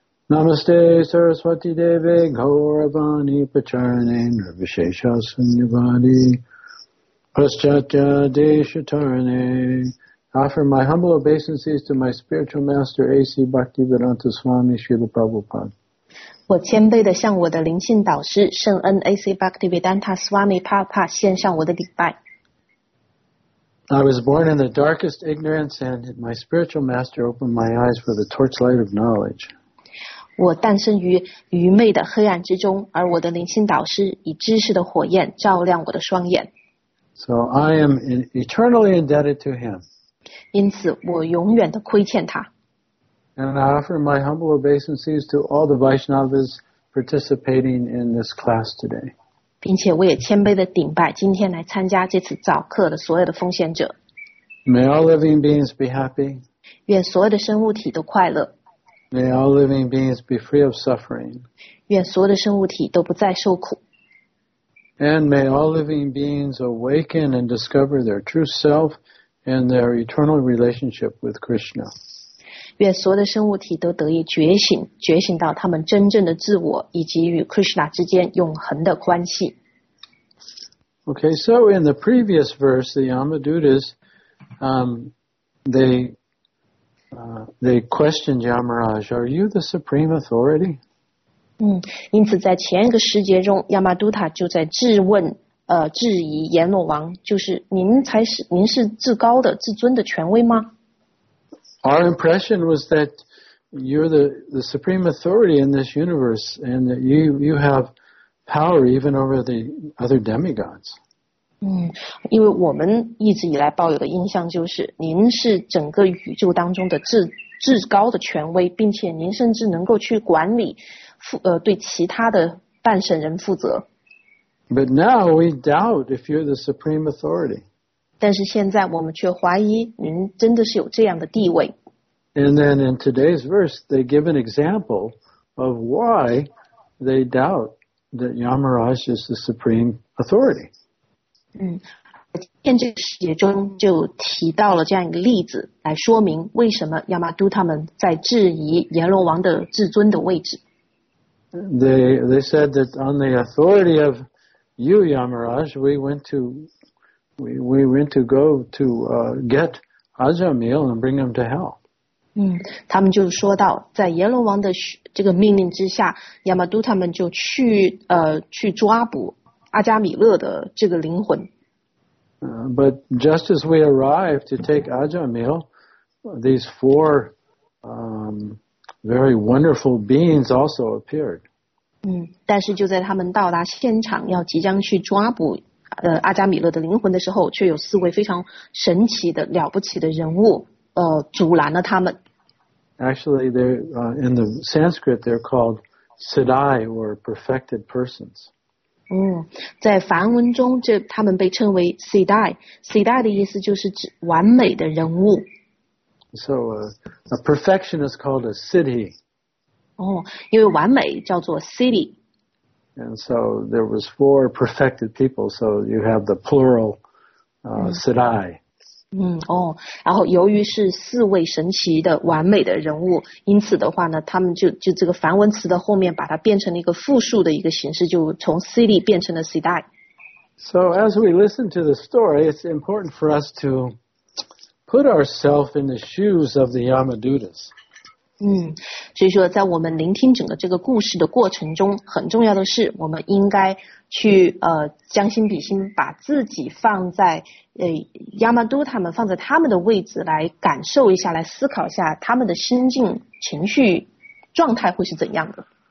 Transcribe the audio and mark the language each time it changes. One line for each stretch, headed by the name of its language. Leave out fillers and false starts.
Sanskrit: Namaste Saraswati Deve Gauravani Pracharane Nirvishesha Sunyavadi Paschatya Deshatarane
English: Offer my humble obeisances to my spiritual master A.C. Bhakti Vedanta Swami Srila Prabhupada.
Chinese: 我谦卑地向我的灵性导师圣恩 A.C. Bhaktivedanta Swami Papa 献上我的礼拜。
English: I was born in the darkest ignorance and my spiritual master opened my eyes for the torchlight of knowledge.
Chinese: 我诞生于愚昧的黑暗之中，而我的灵性导师以知识的火焰照亮我的双眼。
English: So I am eternally indebted to him.
Chinese: 因此我永远地亏欠他。
English: And I offer my humble obeisances to all the Vaishnavas participating in this class today.
Chinese: 并且我也谦卑地顶拜今天来参加这次早课的所有的奉献者。
English: May all living beings be happy.
Chinese: 愿所有的生物体都快乐。
English: May all living beings be free of suffering.
Chinese: 愿所有的生物体都不再受苦。
English: And may all living beings awaken and discover their true self and their eternal relationship with Krishna.
Chinese: 愿所有的生物体都得以觉醒，觉醒到他们真正的自我，以及与 Krishna 之间永恒的关系。
English: Okay, so in the previous verse, the Yamadutas, they questioned Yamaraj, "Are you the supreme authority?"
Chinese: 因此在前一个时节中，亚玛杜塔就在质问质疑阎罗王，就是您才是您是至高的至尊的权威吗？
English: Our impression was that you're the supreme authority in this universe and that you have power even over the other demigods.
Chinese: 嗯，因为我们一直以来抱有的印象就是您是整个宇宙当中的至高的权威，并且您甚至能够去管理对其他的半神人负责。
English: But now we doubt if you're the supreme authority.
Chinese: 但是现在我们却怀疑您真的是有这样的地位。
English: And then in today's verse, they give an example of why they doubt that Yamaraj is the supreme authority.
Chinese: 嗯，这个节中就提到了这样一个例子，来说明为什么亚麻都他们在质疑阎罗王的至尊的位置。
English: They said that on the authority of you, Yamaraj, we went to go get Ajamil and bring him to hell.
Chinese: 嗯，他们就说到，在阎罗王的这个命令之下，亚麻都他们就去抓捕阿加米勒的这个灵魂。
English: But just as we arrived to take Ajamil, these four very wonderful beings also appeared.
Chinese: 嗯，但是就在他们到达现场，要即将去抓捕阿加米勒的灵魂的时候，却有四位非常神奇的了不起的人物阻拦了他们。
English: Actually, in the Sanskrit, they're called Siddhi or perfected persons.
Chinese: 嗯，在梵文中，他们被称为 Siddhi. Siddhi 的意思就是指完美的人物。
English: So a perfection is called a Siddhi.
Chinese: 哦，因为完美叫做 Siddhi.
English: And so there was four perfected people, so you have the plural Siddhi.
Chinese: 嗯，哦，然后由于是四位神奇的完美的人物，因此的话呢，他们就这个梵文词的后面把它变成了一个复数的一个形式，就从 Siddhi 变成了 Siddhi.
English: So as we listen to the story, it's important for us to put ourselves in the shoes of the Yamadutas.
Chinese: 嗯，所以说在我们聆听整个这个故事的过程中，很重要的是我们应该去将心比心，把自己放在Yamadu他们放在他们的位置，来感受一下，来思考一下他们的心境、情绪、状态会是怎样的。